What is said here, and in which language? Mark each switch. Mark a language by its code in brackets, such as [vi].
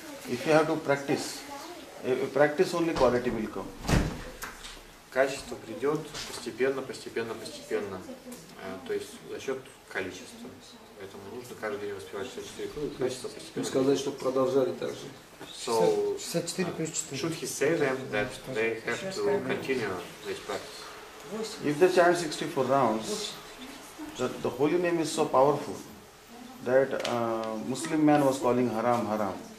[en] If you have to practice, if you practice only quality will come. [ru] Качество придет постепенно, постепенно, постепенно. То есть за счет количества. Поэтому нужно каждый день воспевать 64 круга, качество постепенно. И сказать, чтобы продолжали так же. [en] So, [ru] 64 плюс 4. [en] Should he say them that they have to continue this practice? If they chant 64 rounds, the holy name is so powerful that Muslim man was calling Haram, Haram.